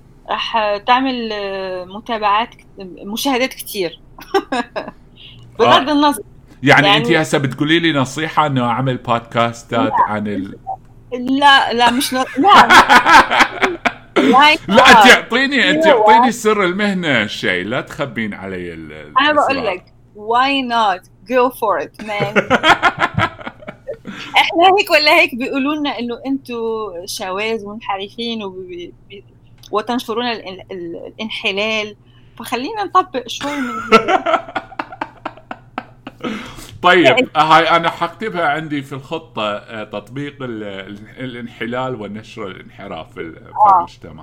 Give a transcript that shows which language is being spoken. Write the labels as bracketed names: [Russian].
[Arabic] رح تعمل متابعات مشاهدات كتير بغض النظر يعني انت يعني. هسه بتقولي لي نصيحة انه اعمل بودكاستات لا عن ال لا لا مش ن... لا لايك لا تعطيني انت اعطيني سر المهنة شيء، لا تخبين علي انا بقول الاسرار. [English] لك why not go for it man. [Arabic] احنا هيك ولا هيك بيقولوا لنا انه انتوا شواذ ومنحرفين وتنشرون الانحلال، فخلينا نطبق شوي من طيب هاي انا حكتبها عندي في الخطة، تطبيق الانحلال ونشر الانحراف في المجتمع.